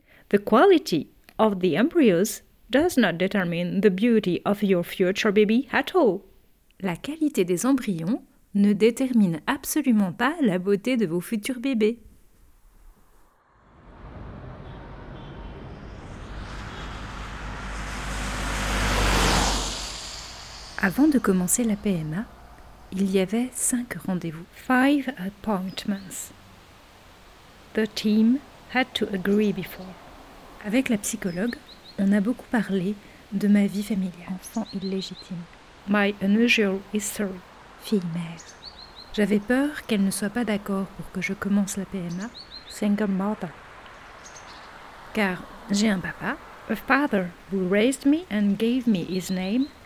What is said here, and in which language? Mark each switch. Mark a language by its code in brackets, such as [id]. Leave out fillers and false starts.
[en] The quality of the embryos does not determine the beauty of your future baby at all. [fr] La qualité des embryons ne détermine absolument pas la beauté de vos futurs bébés. Avant de commencer la PMA, il y avait 5 rendez-vous. [en] 5 appointments. The team had to agree before. [fr] Avec la psychologue, on a beaucoup parlé de ma vie familiale. Enfant illégitime. [en] My unusual history. [fr] Fille-mère. J'avais peur qu'elle ne soit pas d'accord pour que je commence la PMA. [en] Single mother. [fr] Car j'ai un papa. [en] A father who raised me and gave me his name.